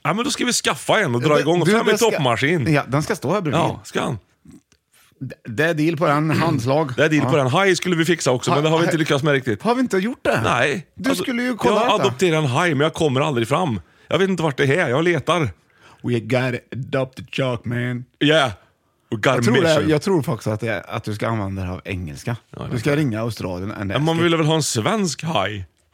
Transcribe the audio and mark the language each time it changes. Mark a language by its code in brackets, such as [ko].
[sv] Ja, men då ska vi skaffa en och dra igång och fram en toppmaskin. Ja, den ska stå här bredvid. Ja, ska han. Det är deal på den, handslag. Det är deal, ja, på den, haj skulle vi fixa också. Men det har vi inte lyckats med riktigt. Har vi inte gjort det? Nej. Du skulle ju kolla. Jag adopterar en haj men jag kommer aldrig fram. Jag vet inte vart det är, jag letar. [en] We got adopted shark man. Yeah. [sv] Jag tror faktiskt att du ska använda det av engelska. Ja, du ska ringa Australien. Men man vill väl ha en svensk haj.